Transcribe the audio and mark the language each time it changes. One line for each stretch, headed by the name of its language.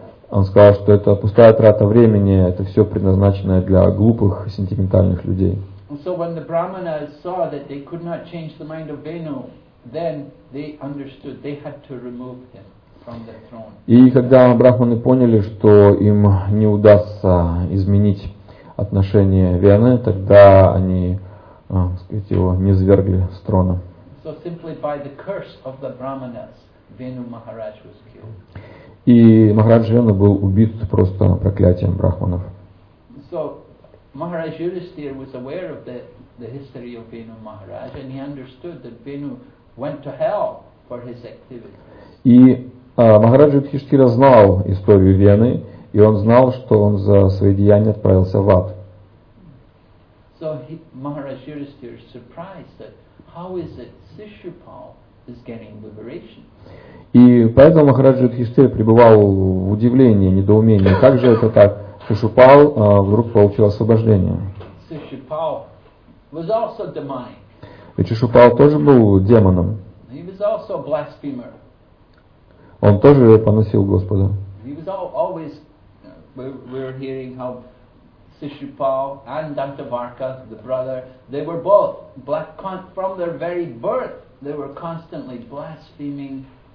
Russian: Он сказал, что это пустая трата времени, это все предназначено для глупых, сентиментальных людей.
English: So when the brahmanas saw that they could not change the mind of Venu, then they understood they had to remove him from the throne.
Russian: И когда брахманы поняли, что им не удастся изменить отношение Вены, тогда они, так сказать, его низвергли с трона.
English: So simply by the curse of the brahmanas, Venu Maharaj was killed.
Russian: И Махарадж Вену был убит просто проклятием брахманов.
English: So Maharaj Yudhisthira was aware of the history of Venu Maharaj, and he understood that Venu went to hell for his activities.
Russian: И Махарадж Юдхиштхира знал историю Вены, и он знал, что он за свои деяния отправился в ад.
English: So Maharaj Yudhisthira is surprised that how is it Sishupal is getting liberation?
Russian: И поэтому Махараджа Юдхиштхира пребывал в удивлении, недоумении. Как же это так? Сишупал вдруг получил освобождение.
English: Сишупал was also demonic.
Russian: Ведь Сишупал тоже был демоном.
English: He was also a blasphemer.
Russian: Он тоже поносил Господа.
English: He was always, we're hearing how Сишупал and Дантаварка, the brother, they were both black, from their very birth, they were constantly blaspheming.